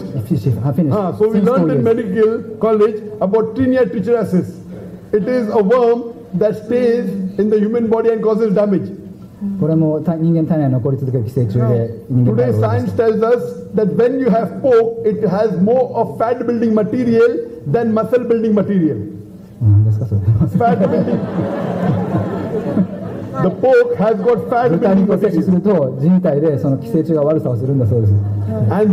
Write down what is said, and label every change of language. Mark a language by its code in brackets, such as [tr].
[en] So we learned in medical college about tinea trichuriasis. It is a worm that stays in the human body and causes damage. [ja] これも人間体内に残り続ける寄生虫で人間体を。 [en] Today science tells us that when you have pork, it has more of fat building material than muscle building material. Fat building. The pork has got fat building material. [ja] 豚に寄生すると人体でその寄生虫が悪さをするんだそうです。 [en] And